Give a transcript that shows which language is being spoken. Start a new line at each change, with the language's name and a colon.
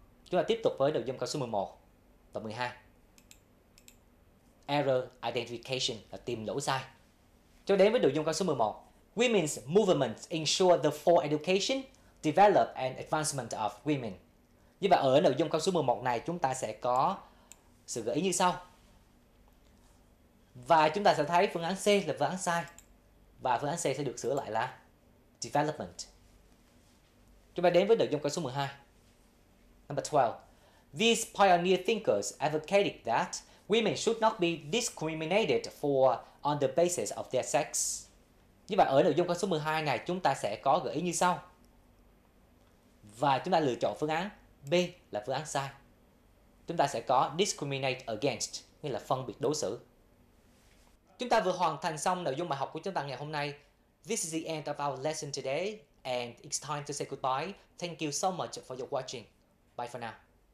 Vietnamese: Chúng ta tiếp tục với nội dung câu số 11 và 12.
English: Error identification,
Vietnamese: là tìm lỗi sai. Cho đến với nội dung câu số 11.
English: Women's movements ensure the full education, develop and advancement of women.
Vietnamese: Như vậy ở nội dung câu số 11 này chúng ta sẽ có sự gợi ý như sau. Và chúng ta sẽ thấy phương án C là phương án sai. Và phương án C sẽ được sửa lại là development. Chúng ta đến với nội dung câu số 12.
English: Number 12. These pioneer thinkers advocated that women should not be discriminated for on the basis of their sex.
Vietnamese: Như vậy ở nội dung câu số 12 này chúng ta sẽ có gợi ý như sau. Và chúng ta lựa chọn phương án B là phương án sai. Chúng ta sẽ có discriminate against, nghĩa là phân biệt đối xử. Chúng ta vừa hoàn thành xong nội dung bài học của chúng ta ngày hôm nay.
English: This is the end of our lesson today and it's time to say goodbye. Thank you so much for your watching. Bye for now.